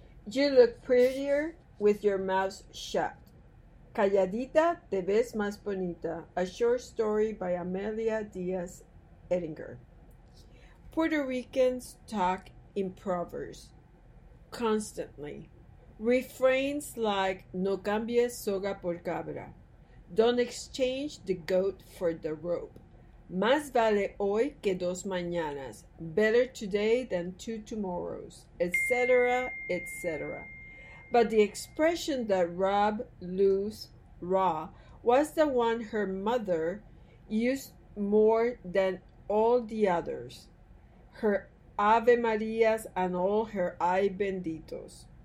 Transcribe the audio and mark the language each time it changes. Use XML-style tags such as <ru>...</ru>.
<en>You look prettier with your mouth shut.</en> <es>Calladita, te ves más bonita.</es> <en>A short story by Amelia Diaz Ettinger. Puerto Ricans talk in proverbs constantly. Refrains like</en> <es>no cambies soga por cabra.</es> <en>Don't exchange the goat for the rope.</en> <es>Más vale hoy que dos mañanas.</es> <en>Better today than two tomorrows, etc., etc. But the expression that rub loose raw was the one her mother used more than all the others, her Ave Marias and all her Ay Benditos.</en>